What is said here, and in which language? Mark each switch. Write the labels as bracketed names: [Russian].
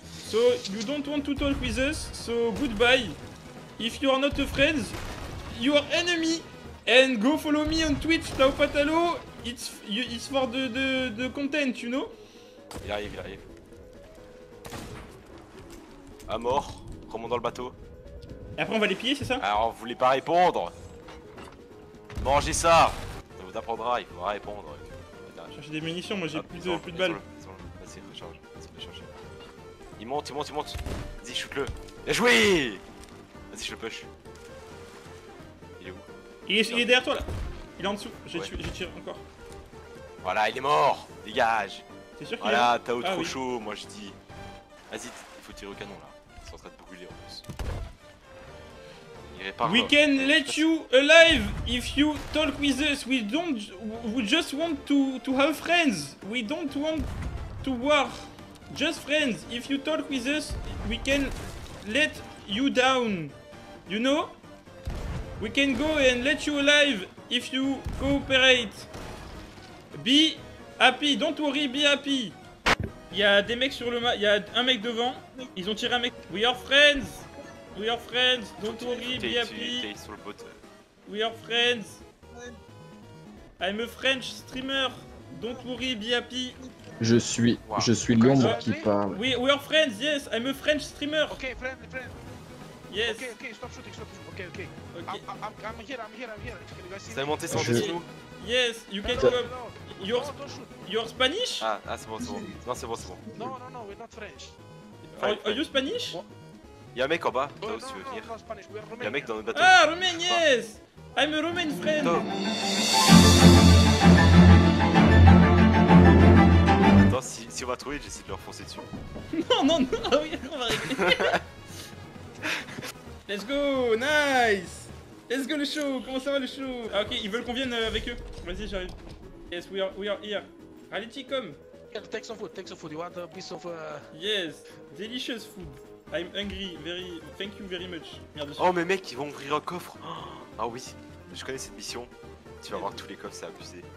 [English] So, you don't want to talk with us, so goodbye. If you are not a friend, your enemy and go follow me on Twitch, Tao Fatalo. It's for the content, you know. [French] Il arrive, il arrive. À mort, remonte dans le bateau. Et après on va les piller, c'est ça? Alors vous voulez pas répondre? Mangez ça! Ça vous apprendra, il faudra répondre. Chercher des munitions, moi j'ai plus de balles. Vas-y, recharge, vas-y, recharge. Il monte. Vas-y, shoot-le. Bien joué! Vas-y, je le push. Il est où? Il est derrière toi là. Il est en dessous, j'ai tiré encore. Voilà, il est mort! Dégage! C'est sûr voilà, qu'il est mort. Voilà, Tao trop chaud, moi je dis. Vas-y, il faut tirer au canon là. C'est en train de brûler en plus. [English] We can let you alive if you talk with us. We don't. We just want to have friends. We don't want to war. Just friends. If you talk with us, we can let you down. You know? We can go and let you alive if you cooperate. Be happy. Don't worry. Be happy. [French] Il y a des mecs sur le ma. Il y a un mec devant. Ils ont tiré un mec. [English] We are friends. We are friends, don't worry, be happy. We are friends. I'm a French streamer. Don't worry, be happy. [French] Je suis l'ombre qui parle. [English] We are friends, yes, I'm a French streamer. Okay, friend. Yes. Okay, stop shooting. Okay, okay. I'm here. [French] Ça a monté sans dessous. [English] Yes, you can go up. You're Spanish? [French] Ah, c'est bon. Non, [English] we're not French. Are you Spanish? [French] Y'a un mec en bas, là où tu veux venir. Y'a un mec dans notre bateau. [English] Ah, Romain, yes! I'm a Romain friend! [French] Attends, si on va trouver, j'essaie de leur foncer dessus. Non, ah oui, on va régler. [English] Let's go, nice! Let's go, [French] le show! Comment ça va, le show? Ah, ok, ils veulent qu'on vienne avec eux. Vas-y, j'arrive. [English] Yes, we are here. Reality, come! Yeah, take some food, you want a piece of. Yes, delicious food. I'm hungry, thank you very much. [French] Oh mais mec, ils vont ouvrir un coffre. Oh, ah oui, je connais cette mission. Tu vas voir tous les coffres, c'est abusé.